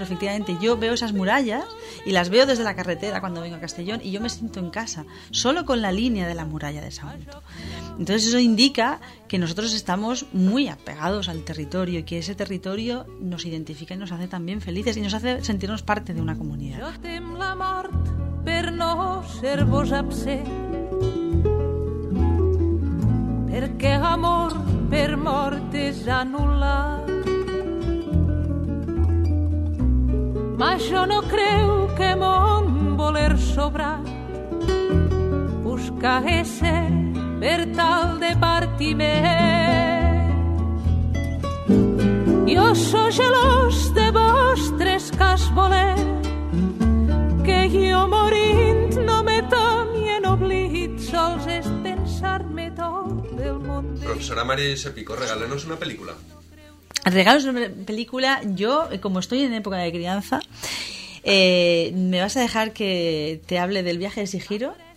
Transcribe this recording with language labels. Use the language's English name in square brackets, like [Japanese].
[Spanish] Pero efectivamente yo veo esas murallas y las veo desde la carretera cuando vengo a Castellón, y yo me siento en casa solo con la línea de la muralla de Sagunto. Entonces eso indica que nosotros estamos muy apegados al territorio, y que ese territorio nos identifica y nos hace también felices y nos hace sentirnos parte de una comunidad. [Catalan] Jo tem la mort per no ser vos absent, perquè amor per mort és anul·lat. Mas jo no creu que mon voler sobrà, busca ésser per tal de partir bé. Jo sóc gelós de vostres cas voler, que jo morint no me torni en oblit, sols és pensar-me tot del món. [Spanish] Professora Maria Josep Pico, regálenos una película. Regálenos una película. Yo, como estoy en época de crianza, me vas a dejar que te hable del viaje de Chihiro.